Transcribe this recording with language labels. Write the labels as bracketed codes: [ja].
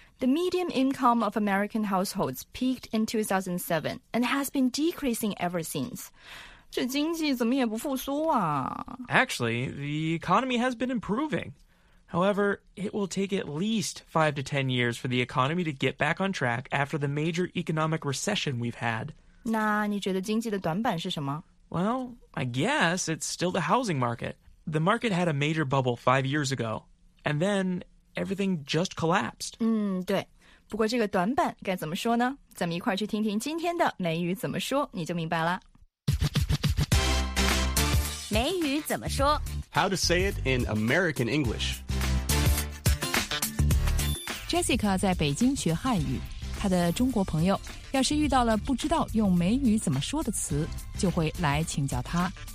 [en] The median income of American households peaked in 2007 and has been decreasing ever since. [zh] 这经济怎么也不复苏啊 [en] Actually, the economy has been improving. However, it will take at least 5 to 10 years for the economy to get back on track after the major economic recession we've had. [zh] 那你觉得经济的短板是什么 [en] Well, I guess it's still the housing market. The market had a major bubble 5 years ago, and then everything just collapsed. [zh] 对。不过这个短板该怎么说呢咱们一块去听听今天的美语怎么说你就明白了。美语怎么说 [en] How to say it in American English. [zh] Jessica 在北京学汉语，她的中国朋友要是遇到了不知道用美语怎么说的词，就会来请教她。